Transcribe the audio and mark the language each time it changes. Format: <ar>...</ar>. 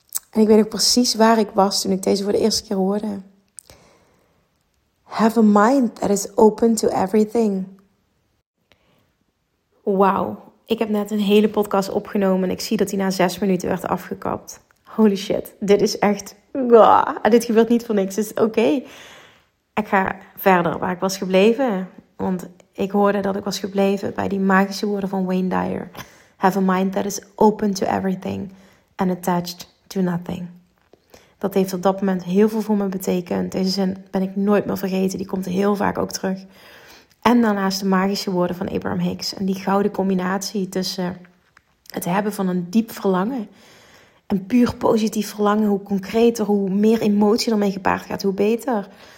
<nl>En ik weet ook precies waar ik was toen ik deze voor de eerste keer hoorde.</nl> <en>Have a mind that is open to everything.</en> <nl>Wauw, ik heb net een hele podcast opgenomen en ik zie dat die na 6 minuten werd afgekapt.</nl> <en>Holy shit,</en> <nl>dit is echt... Dit gebeurt niet voor niks, dus oké. Ik ga verder waar ik was gebleven. Want ik hoorde dat ik was gebleven bij die magische woorden van Wayne Dyer.</nl> <en>Have a mind that is open to everything and attached do nothing.</en> <nl>Dat heeft op dat moment heel veel voor me betekend. Deze zin ben ik nooit meer vergeten. Die komt heel vaak ook terug. En daarnaast de magische woorden van Abraham Hicks. En die gouden combinatie tussen het hebben van een diep verlangen. Een puur positief verlangen. Hoe concreter, hoe meer emotie ermee gepaard gaat, hoe beter.</nl>